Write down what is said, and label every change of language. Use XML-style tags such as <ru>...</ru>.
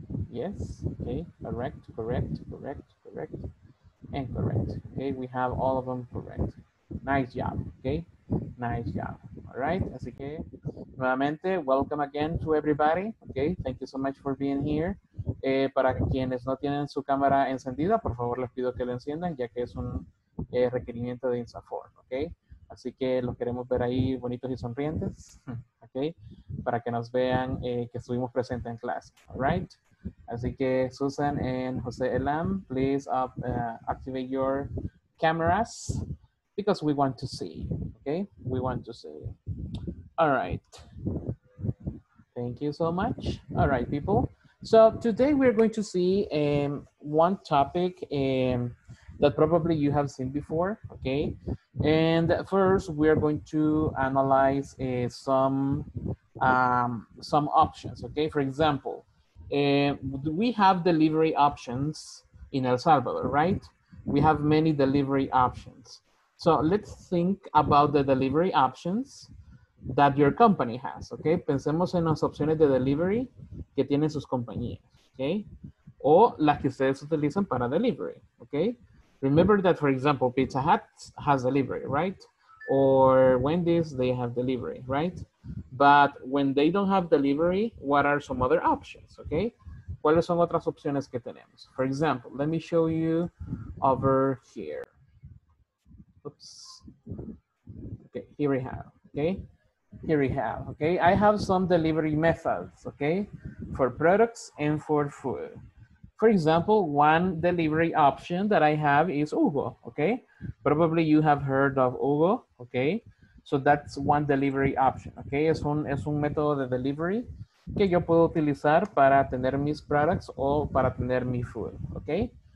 <en>Yes, okay, correct, correct, correct, correct, and correct. Okay, we have all of them correct. Nice job, okay? Nice job. All right,</en> <es>así que nuevamente,</es> <en>welcome again to everybody. Okay, thank you so much for being here.</en> <es>Para quienes no tienen su cámara encendida, por favor, les pido que la enciendan, ya que es un requerimiento de INSAFOR, okay? Así que los queremos ver ahí bonitos y sonrientes, okay? Para que nos vean que estuvimos presentes en clase, all right? Así que</es> <en>Susan and Jose Elam, please activate your cameras because we want to see, okay? We want to see. All right. Thank you so much. All right, people. So today we're going to see one topic that probably you have seen before, okay? And first we're going to analyze some options, okay? For example, we have delivery options in El Salvador, right? We have many delivery options. So let's think about the delivery options that your company has, okay?</en> <es>Pensemos en las opciones de delivery que tienen sus compañías, okay? O las que ustedes utilizan para delivery, okay?</es> <en>Remember that, for example, Pizza Hut has delivery, right? Or Wendy's, they have delivery, right? But when they don't have delivery, what are some other options, okay?</en> <es>¿Cuáles son otras opciones que tenemos?</es> <en>For example, let me show you over here. Oops. Okay, here we have, okay? Here we have, okay? I have some delivery methods, okay? For products and for food. For example, one delivery option that I have is Hugo, okay? Probably you have heard of Hugo, okay? So that's one delivery option, okay?</en> <es>Es un método de delivery que yo puedo utilizar para tener mis products o para tener mi food, okay?</es>